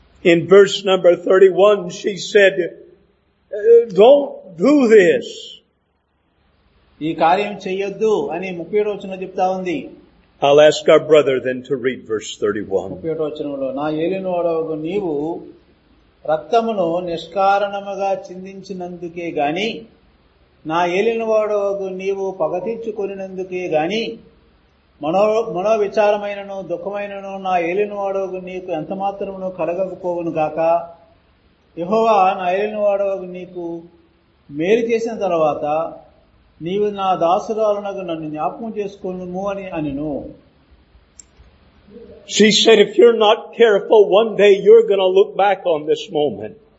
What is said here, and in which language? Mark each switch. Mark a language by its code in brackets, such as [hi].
[en] In verse number 31 she said, "Don't do this." [te] ఈ కార్యం చేయొద్దు అని 37వ వచనంలో చెప్తా ఉంది. [en] I'll ask our brother then to read verse 31. [te] 37వ వచనంలో నా ఏలినవాడవు, నీవు రక్తమును నిష్కారణముగా చిందించినందుకే గాని, నా ఏలినవాడవు నీవు పగతీర్చుకొనినందుకే గాని, మనో విచారమైనను దుఃఖమైనను నా ఏలినవాడవు నీకు ఎంత మాత్రమును కలగకపోవును గాక, యెహోవా నా ఏలినవాడవు నీకు మేలు చేసిన తర్వాత నీవు నా దాసురాలునకు నన్ను జ్ఞాపకం చేసుకోను అని అనిను. [en] She said, if you're not careful, one day you're going to look back on this moment.